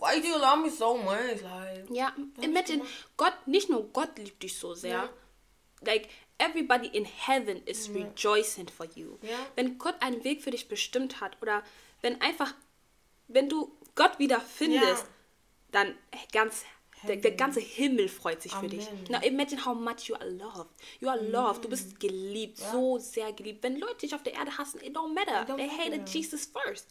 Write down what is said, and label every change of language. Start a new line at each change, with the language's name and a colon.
English: Why do you love me so much? Like,
German: ja, imagine, Gott, nicht nur Gott liebt dich so sehr. Yeah.
English: Like, everybody in heaven is rejoicing for you. Yeah.
German: Wenn Gott einen Weg für dich bestimmt hat, oder wenn du Gott wieder findest, dann ganz der ganze Himmel freut sich für dich.
English: Now imagine how much you are loved. You are loved.
German: Du bist geliebt.
English: Yeah.
German: So sehr geliebt. Wenn Leute dich auf der Erde hassen,
English: it don't matter. They hated Jesus first.